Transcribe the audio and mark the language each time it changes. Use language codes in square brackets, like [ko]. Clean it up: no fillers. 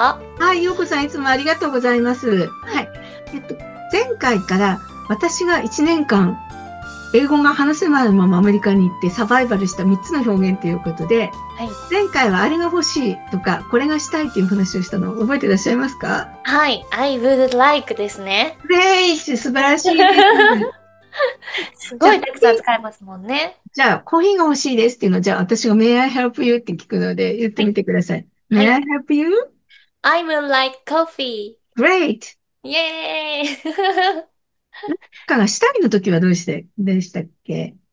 [ja] はい、陽子さん、いつもありがとうございます。はい、前回から私が1年間英語が話せないままアメリカに行ってサバイバルした3つの表現ということで、はい、前回はあれが欲しいとかこれがしたいっていう話をしたの覚えていらっしゃいますか？はい、 [en] I would like [ja] ですね。素晴らしいすごいたくさん使いますもんね。じゃあコーヒーが欲しいですっていうのは、じゃあ私が [en] May I help you [ja] って聞くので言ってみてください、はい、 [en] May I help you? I would like coffee. Great! イエーイ [ja] なんかがしたいの時はどうしてでしたっけ？